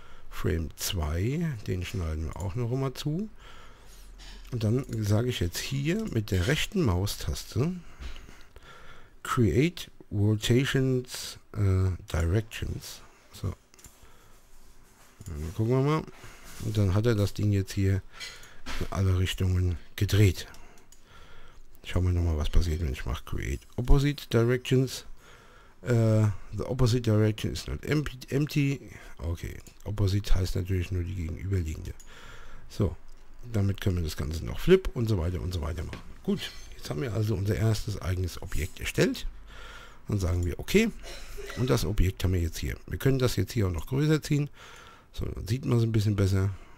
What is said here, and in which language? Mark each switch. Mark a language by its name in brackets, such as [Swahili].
[German] Frame 2, den schneiden wir auch noch immer zu. Und dann sage ich jetzt hier mit der rechten Maustaste Create Rotations Directions. So. Dann gucken wir mal. Und dann hat er das Ding jetzt hier in alle Richtungen gedreht. Schauen wir nochmal, was passiert, wenn ich mache Create Opposite Directions. [English] The opposite direction is not empty. [German] Okay, opposite heißt natürlich nur die gegenüberliegende. So, damit können wir das Ganze noch flip und so weiter machen. Gut, jetzt haben wir also unser erstes eigenes Objekt erstellt. Dann sagen wir okay. Und das Objekt haben wir jetzt hier. Wir können das jetzt hier auch noch größer ziehen. So, dann sieht man es ein bisschen besser.